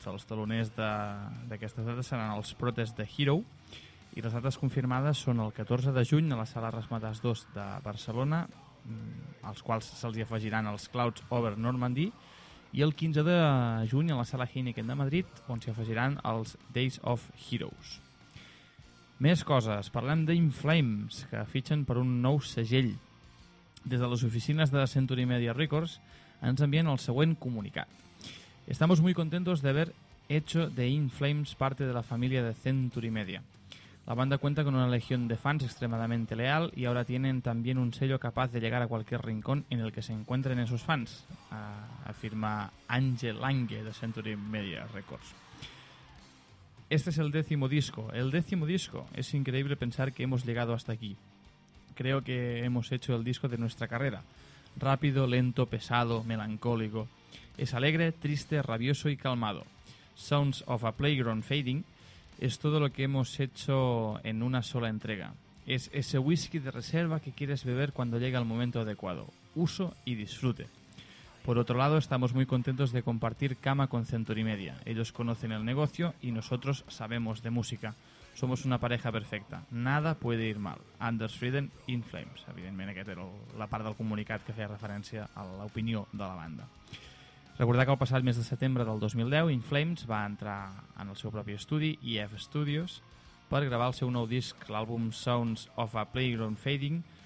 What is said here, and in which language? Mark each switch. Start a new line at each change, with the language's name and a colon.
Catalan: Els teloners d'aquestes dates seran els Protest the Hero i les dates confirmades són el 14 de juny a la sala Rasmatas 2 de Barcelona, als quals se'ls afegiran els Clouds Over Normandy, i el 15 de juny a la sala Heineken de Madrid, on s'hi afegiran els Days of Heroes. Més coses. Parlem d'Inflames, que fitxen per un nou segell. Des de les oficines de Century Media Records ens envien el següent comunicat.
Spanish: Estamos muy contentos de haber hecho de Inflames parte de la familia de Century Media. La banda cuenta con una legión de fans extremadamente leal y ahora tienen también un sello capaz de llegar a cualquier rincón en el que se encuentren esos fans, afirma Ángel Lange de Century Media Records. Este es el décimo disco. El décimo disco. Es increíble pensar que hemos llegado hasta aquí. Creo que hemos hecho el disco de nuestra carrera. Rápido, lento, pesado, melancólico. Es alegre, triste, rabioso y calmado.
English: Sounds of a Playground Fading.
Spanish: Es todo lo que hemos hecho en una sola entrega. Es ese whisky de reserva que quieres beber cuando llega el momento adecuado. Uso y disfrute. Por otro lado, estamos muy contentos de compartir cama con Century Media. Ellos conocen el negocio y nosotros sabemos de música. Somos una pareja perfecta. Nada puede ir mal. Anders Frieden, In Flames.
Catalan: Evidentment, aquesta era la part del comunicat que feia referència a l'opinió de la banda. Recordar que el passat mes de setembre del 2010, In Flames va entrar en el seu propi estudi, EF Studios, per gravar el seu nou disc, l'àlbum Sounds of a Playground Fading.